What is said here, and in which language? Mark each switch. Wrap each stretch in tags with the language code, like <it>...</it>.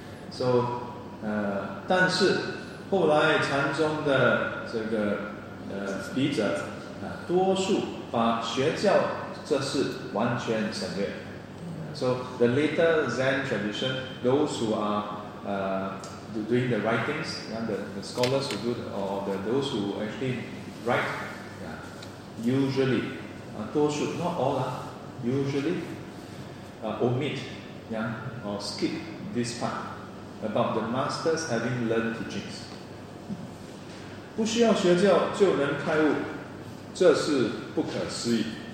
<zh>So, 但是后来禅宗的这个笔者，多数把学教这事完全省略。</zh> <en>So the later Zen tradition, those who are doing the writings, yeah, the scholars who do, or the those who actually write, yeah, usually, 多数, not all, usually omit, yeah, or skip this part about the masters having learned teachings.</en> <zh>不需要学教就能开悟, 这是不可思议。</zh>